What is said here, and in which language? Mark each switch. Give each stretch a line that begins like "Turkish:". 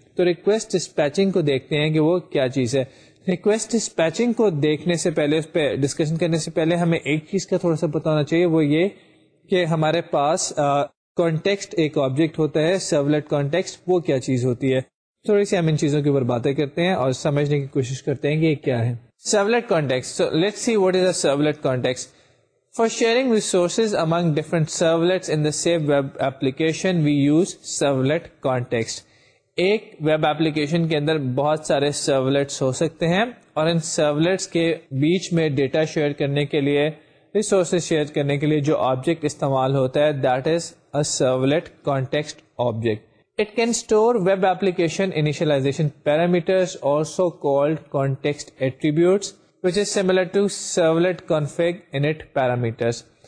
Urdu: تو request dispatching کو دیکھتے ہیں کہ وہ کیا چیز ہے. ریکویسٹ ڈسپیچنگ کو دیکھنے سے پہلے, اس پہ ڈسکشن کرنے سے پہلے ہمیں ایک چیز کا تھوڑا سا پتا ہونا چاہیے, وہ یہ کہ ہمارے پاس کانٹیکسٹ ایک آبجیکٹ ہوتا ہے, سرولیٹ کانٹیکسٹ وہ کیا چیز ہوتی ہے. تھوڑی سی ہم ان چیزوں کے اوپر باتیں کرتے ہیں اور سمجھنے کی کوشش کرتے ہیں کہ یہ کیا ہے servlet context.
English: So let see what is a servlet context. For sharing resources among different servlets in the same web application we use servlet context.
Urdu: ایک ویب ایپلیکیشن کے اندر بہت سارے سرولیٹس ہو سکتے ہیں اور ان سرولیٹس کے بیچ میں ڈیٹا شیئر کرنے کے لیے, ریسورسز شیئر کرنے کے لیے جو آبجیکٹ استعمال ہوتا ہے,
English: That is a servlet context object. It can store web application initialisation parameters, also called context attributes, which is similar to servlet config init parameters.